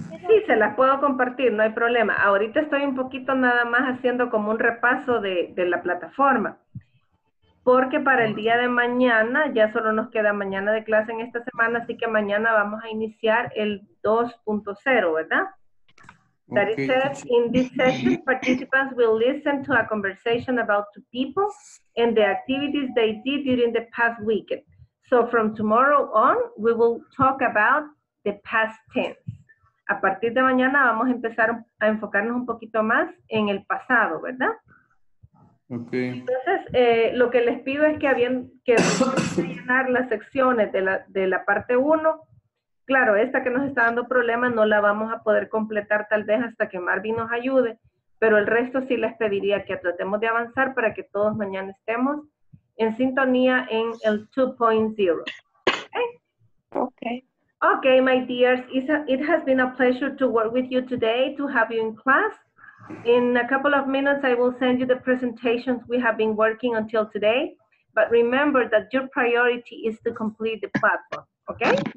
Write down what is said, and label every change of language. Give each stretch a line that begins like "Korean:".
Spanish: Sí, se las puedo compartir, no hay problema. Ahorita estoy un poquito nada más haciendo como un repaso de la plataforma. Porque para el día de mañana, ya solo nos queda mañana de clase en esta semana, así que mañana vamos a iniciar el 2.0, ¿verdad?
English: That okay. It says, in this session, participants will listen to a conversation about two people and the activities they did during the past weekend. So from tomorrow on, we will talk about the past tense.
Spanish: A partir de mañana vamos a empezar a enfocarnos un poquito más en el pasado, ¿verdad?
English: Okay.
Spanish: Entonces, lo que les pido es que habían que rellenar las secciones de la parte 1. Claro, esta que nos está dando problemas no la vamos a poder completar tal vez hasta que Marvin nos ayude, pero el resto sí les pediría que tratemos de avanzar para que todos mañana estemos en sintonía en el 2.0.
English: Okay. Okay, my dears, it has been a pleasure to work with you today, to have you in class. In a couple of minutes, I will send you the presentations we have been working until today. But remember that your priority is to complete the platform, okay?